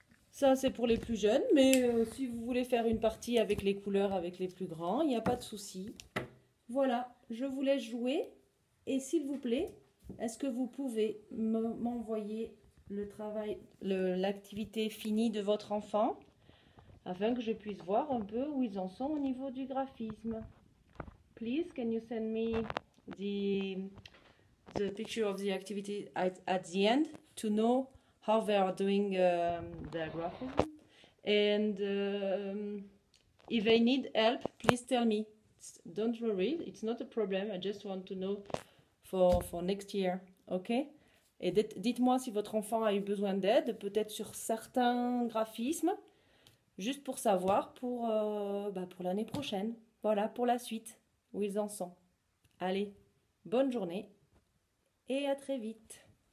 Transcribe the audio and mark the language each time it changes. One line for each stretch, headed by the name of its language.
French: Ça, c'est pour les plus jeunes, mais si vous voulez faire une partie avec les couleurs avec les plus grands, il n'y a pas de souci. Voilà, je vous laisse jouer et s'il vous plaît. Est-ce que vous pouvez m'envoyer le travail, l'activité finie de votre enfant afin que je puisse voir un peu où ils en sont au niveau du graphisme?
English: Please, can you send me the picture of the activity at the end to know how they are doing their graphism? And if they need help, please tell me. Don't worry, it's not a problem. I just want to know for next year, okay?
French: Et dites-moi si votre enfant a eu besoin d'aide, peut-être sur certains graphismes, juste pour savoir pour l'année prochaine. Voilà, pour la suite, où ils en sont. Allez, bonne journée et à très vite.